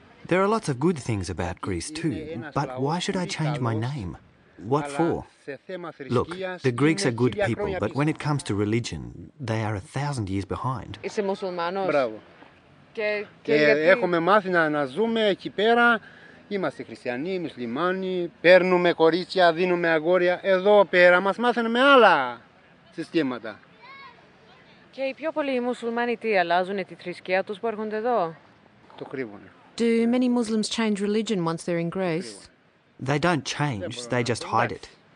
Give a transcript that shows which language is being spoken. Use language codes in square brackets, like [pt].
[en] There are lots of good things about Greece too, but why should I change my name? What for? Look, the Greeks are good people, but when it comes to religion, they are 1,000 years behind. [el] Και έχουμε μάθει να ζούμε εκεί πέρα. Είμαστε χριστιανοί, μουσουλμάνοι, παίρνουμε κορίτσια, δίνουμε αγόρια. Εδώ πέρα μας μάθαινε με άλλα συστήματα. Και οι πιο πολλοί μουσουλμάνοι τι αλλάζουν, τη θρησκεία τους που έρχονται εδώ? Το κρύβουν. [en] Do many Muslims change religion once they're in Greece? They don't change, they just hide it.